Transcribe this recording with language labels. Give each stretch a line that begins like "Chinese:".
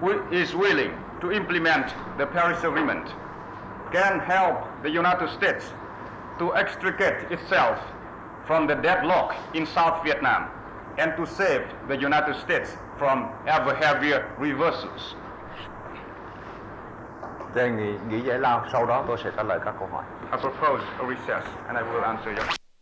English: is willing to implement the Paris Agreement, can help the United States to extricate itself from the deadlock in South Vietnam and to save the United States from ever heavier reversals.
Vietnamese: Đề nghị nghỉ giải lao, sau đó tôi sẽ trả lời các câu hỏi.
English: I propose a recess and I will answer your questions.